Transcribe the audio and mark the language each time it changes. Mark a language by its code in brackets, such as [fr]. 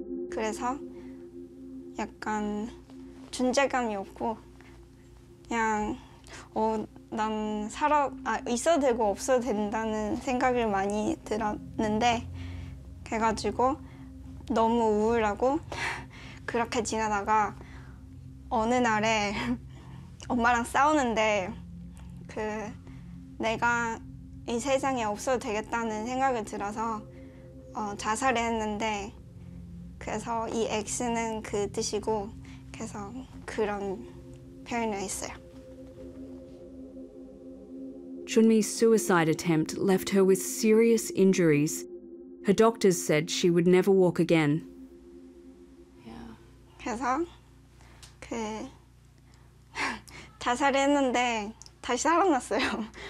[ko] 그래서 약간 존재감이 없고 그냥 난 살아 있어도 되고 없어도 된다는 생각을 많이 들었는데 그래가지고 너무 우울하고 그렇게 지나다가 어느 날에 엄마랑 싸우는데 그 내가 이 세상에 없어도 되겠다는 생각을 들어서 자살을 했는데 그래서 이 X는 그 뜻이고 그래서 그런 표현을 했어요. [en] Junmi's suicide attempt left her with serious injuries. Her doctors said she would never walk again. Yeah. [ko] 그래서 그 자살을 했는데 다시 살아났어요.